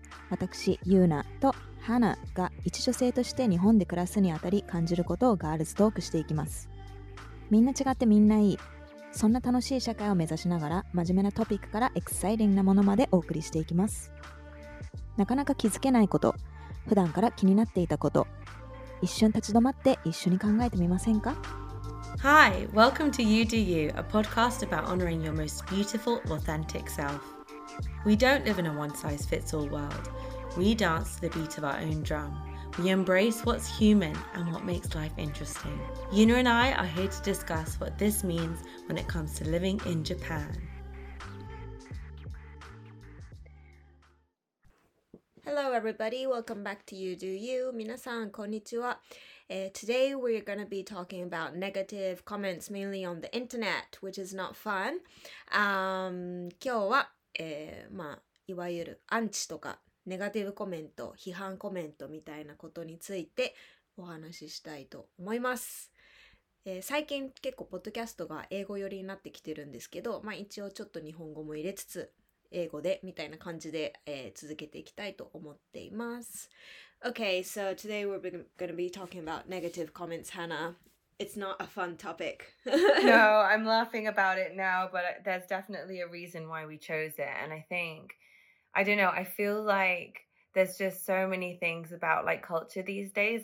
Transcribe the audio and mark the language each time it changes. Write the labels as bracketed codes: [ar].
[ja] 私、ユーナとハナが一女性として日本で暮らすにあたり感じることをガールズトークしていきます。みんな違ってみんないい、そんな楽しい社会を目指しながら、真面目なトピックからエクサイティングなものまでお送りしていきます。なかなか気づけないこと、普段から気になっていたこと、一瞬立ち止まって一緒に考えてみませんか？ [en] Hi, welcome to You Do You, a podcast about honoring your most beautiful, authentic self. We don't live in a one-size-fits-all world. We dance to the beat of our own drum. We embrace what's human and what makes life interesting. Yuna and I are here to discuss what this means when it comes to living in Japan. Hello, everybody. Welcome back to You Do You. [ja] 皆さん、こんにちは。 [en] Today we're going to be talking about negative comments mainly on the internet, which is not fun. [ja] 今日は、いわゆるアンチとかネガティブコメント、批判コメントみたいなことについてお話ししたいと思います。最近結構ポッドキャストが英語寄りになってきてるんですけど、一応ちょっと日本語も入れつつ英語でみたいな感じで、続けていきたいと思っています。 [en] Okay, so today we're going to be talking about negative comments, Hannah. It's not a fun topic. No, I'm laughing about it now, but there's definitely a reason why we chose it. And I think, I don't know, I feel like there's just so many things about like culture these days.